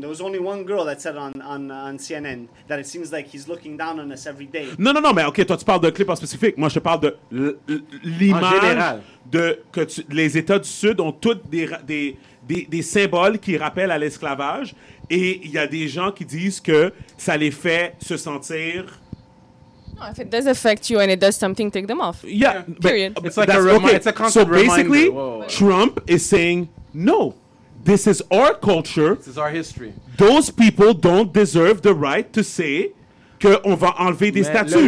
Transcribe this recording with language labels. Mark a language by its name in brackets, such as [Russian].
[English] There was only one girl that said on CNN that it seems like he's looking down on us every day. [French] Non, non, non, mais OK, toi, tu parles d'un clip en spécifique. Moi, je parle de l'image de que tu, les États du Sud ont tous des symboles qui rappellent à l'esclavage. Et il y a des gens qui disent que ça les fait se sentir... [English] No, if it does affect you and it does something, take them off. Yeah. Period. It's like that's a reminder. It's a constant reminder. So basically, reminder. Trump is saying, no, this is our culture. This is our history. Those people don't deserve the right to say [French] qu'on va enlever des statues.